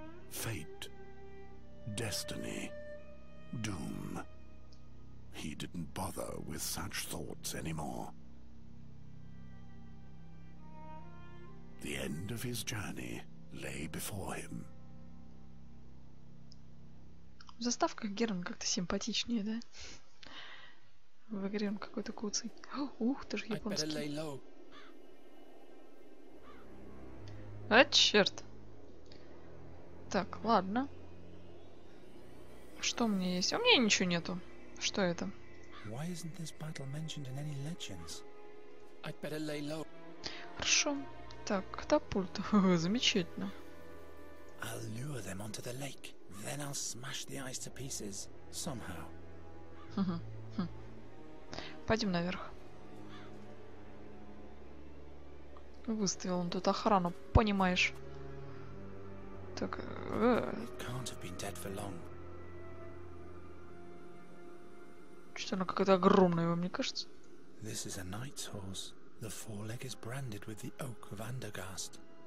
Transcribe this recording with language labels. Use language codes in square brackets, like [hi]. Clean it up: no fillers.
[en] Fate, destiny, doom. He didn't bother with such thoughts anymore. The end of his journey lay before him. [ru] В заставках Герон как-то симпатичнее, да? В игре он какой-то куцый. Ух, ты ж японский. А черт. Так, ладно. Что у меня есть? У меня ничего нету. Что это? [en] Why isn't this battle mentioned in any legends? I'd better lay low. [ru] Хорошо. Так, катапульт. Замечательно. [en] I'll lure them onto the lake. Then I'll smash the ice to pieces. Somehow. [ru] Пойдем наверх. Выставил он тут охрану, понимаешь? Так, [en] Can't have been dead for long. [ru] Что-то она какая-то огромная, вам не кажется? [en] This is a knight's horse. The foreleg is branded with the oak of Andergast.